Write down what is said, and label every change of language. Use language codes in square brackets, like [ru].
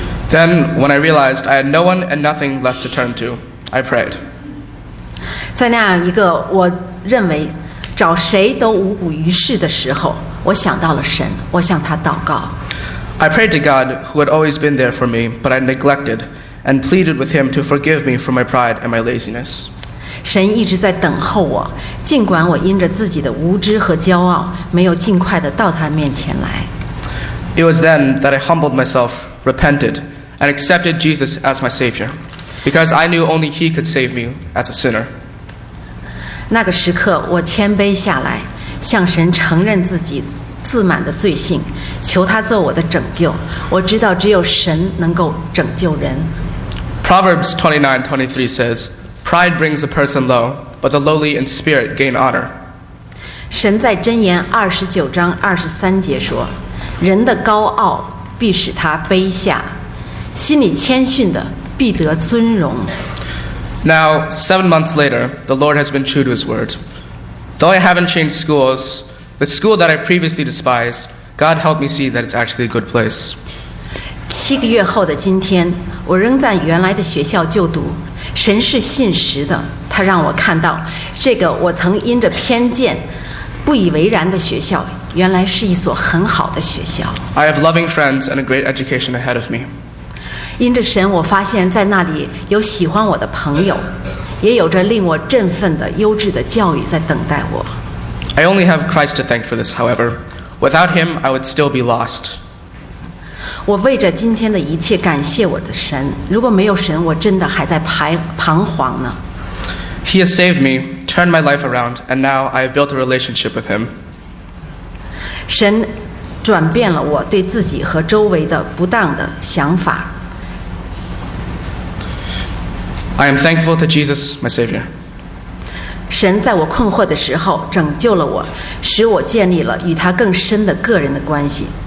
[en] Then, when I realized I had no one and nothing left to turn to, I prayed. [zh] 在那样一个我认为找谁都无补于事的时候，我想到了神，我向他祷告。 [en] I prayed to God, who had always been there for me, but I neglected, and pleaded with him to forgive me for my pride and my laziness. [zh] 神一直在等候我，尽管我因着自己的无知和骄傲，没有尽快地到他面前来。 [en] It was then that I humbled myself, repented, and accepted Jesus as my Savior, because I knew only He could save me as a sinner. [zh] 那个时刻，我谦卑下来，向神承认自己自满的罪性，求他做我的拯救。我知道只有神能够拯救人。 [en] Proverbs 29:23 says,Pride brings a person low, but the lowly in spirit gain honor. [zh] 神在箴言二十九章二十三节说，人的高傲必使他卑下，心里谦逊的必得尊荣。 [en] Now, 7 months later, the Lord has been true to his word. Though I haven't changed schools, the school that I previously despised, God helped me see that it's actually a good place. [zh] 7个月后的今天，我仍在原来的学校就读。神是信实的，他让我看到这个我曾因着偏见不以为然的学校，原来是一所很好的学校。 [en] I have loving friends and a great education ahead of me. [zh] 因着神，我发现在那里有喜欢我的朋友，也有着令我振奋的优质的教育在等待我。 [en] I only have Christ to thank for this, however. Without him, I would still be lost. [zh] 我为着今天的一切感谢我的神，如果没有神，我真的还在彷徨呢。 [en] He has saved me, turned my life around, and now I have built a relationship with him. [zh] 神转变了我对自己和周围的不当的想法。 [en] I am thankful to Jesus, my Savior. [zh] 神在我困惑的时候拯救了我，使我建立了与他更深的个人的关系。